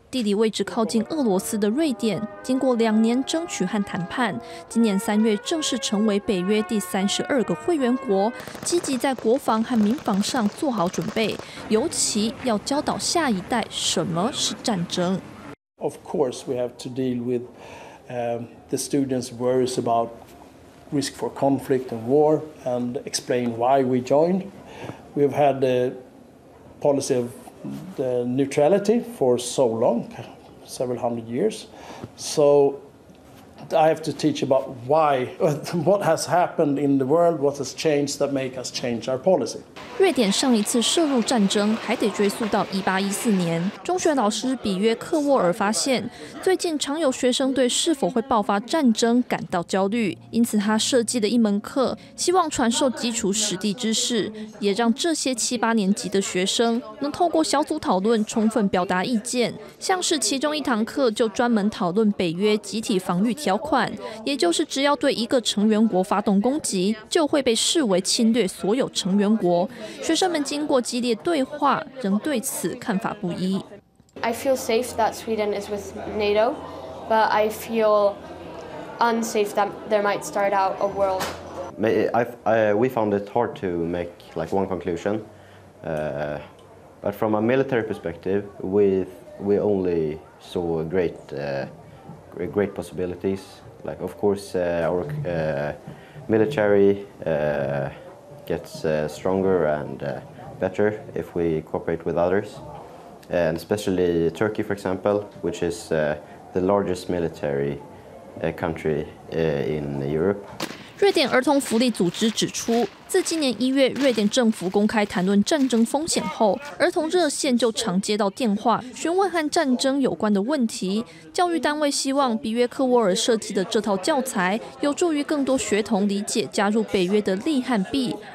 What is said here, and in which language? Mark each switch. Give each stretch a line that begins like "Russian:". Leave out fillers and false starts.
Chinese: 地理位置靠近俄罗斯的瑞典，经过2年争取和谈判，今年3月正式成为北约第32个会员国，积极在国防和民防上做好准备，尤其要教导下一代什么是战争。
English: Of course, we have to deal with the students' worries about risk for conflict and war and explain why we joined. We've had a policy of neutrality for so long, several hundred years. So I have to teach about why, what has happened in the world, what has changed that make us change our policy.
Chinese: 瑞典上一次涉入战争还得追溯到1814年。中学老师比约克沃尔发现，最近常有学生对是否会爆发战争感到焦虑，因此他设计了一门课，希望传授基础实地知识，也让这些7、8年级的学生能透过小组讨论充分表达意见。像是其中一堂课就专门讨论北约集体防御条款，也就是只要对一个成员国发动攻击，就会被视为侵略所有成员国。学生们经过激烈对话，仍对此看法不一。
English: I feel safe that Sweden is with NATO, but I feel unsafe that there might start out a world. We found it hard to make like one conclusion, but from a military perspective, we only saw great possibilities. Like of course our military. Gets stronger and better if we cooperate with others, and especially Turkey, for example, which is the largest military country in Europe.
Chinese: 瑞典儿童福利组织指出，自今年1月瑞典政府公开谈论战争风险后，儿童热线就常接到电话询问和战争有关的问题。教育单位希望比约克沃尔设计的这套教材有助于更多学童理解加入北约的利和弊。